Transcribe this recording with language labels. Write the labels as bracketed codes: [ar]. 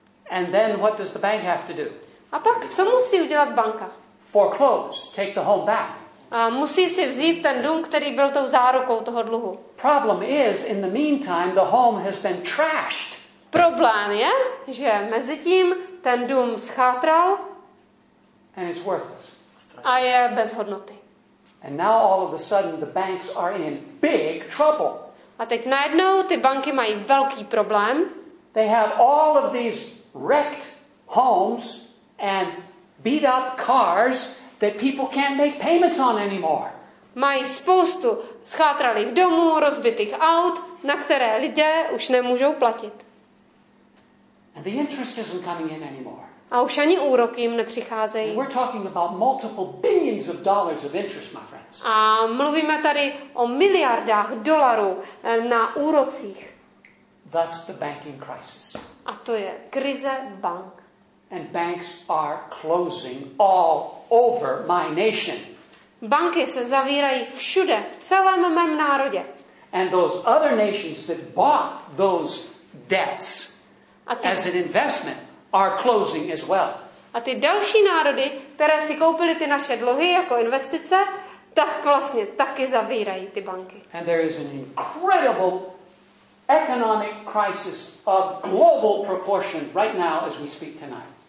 [en] And then what does the bank have to do? [cs] A pak co musí udělat banka? [en] Foreclose, take the home back. [cs] A musí si vzít ten dům, který byl tou zárukou toho dluhu. [en] Problem is, in the meantime, the home has been trashed. [cs] Problém je, že mezi tím ten dům schátral. [en] And it's worthless. [cs] A je bez hodnoty. [en] And now all of a sudden the banks are in big trouble. [cs] A teď najednou ty banky mají velký problém. [en] They have all of these wrecked homes and beat up cars that people can't make payments on anymore. [cs] Mají spoustu schátralých domů, rozbitých aut, na které lidé už nemůžou platit. [en] And the interest isn't coming in anymore. [cs] A už ani úroky jim nepřicházejí. [en] We're talking about multiple billions of dollars of interest, my friends. [cs] A mluvíme tady o miliardách dolarů na úrocích. [en] Thus the banking crisis. [cs] A to je krize bank. [en] And banks are closing all over my nation. [cs] Banky se zavírají všude, v celém mém národě. [en] And those other nations that bought those debts as an investment are closing as well. [cs] A ty další národy, které si koupily ty naše dluhy jako investice, tak vlastně taky zavírají ty banky. [en] And there is an incredible economic crisis of global proportion right now as we speak tonight.